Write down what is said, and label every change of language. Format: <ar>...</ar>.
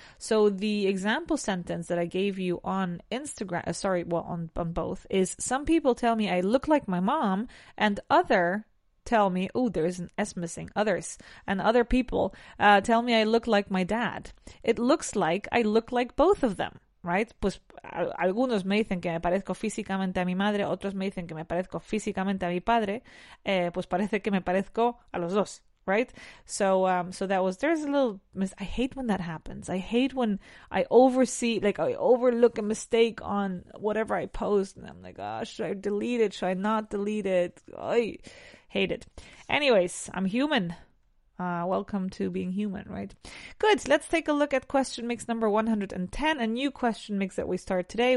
<en>So the example sentence that I gave you on Instagram, on both, is some people tell me I look like my mom and other tell me, oh, there is an S missing. Others and other people tell me I look like my dad. It looks like I look like both of them. Right?</en> <es>Pues algunos me dicen que me parezco físicamente a mi madre, otros me dicen que me parezco físicamente a mi padre, pues parece que me parezco a los dos, right?</es> <en>So that was, there's a little mis I hate when that happens. I hate when I oversee, like I overlook a mistake on whatever I post and I'm like, oh, should I delete it? Should I not delete it? I hate it. Anyways, I'm human. Welcome to being human, right? Good. Let's take a look at question mix number 110, a new question mix that we start today.</en>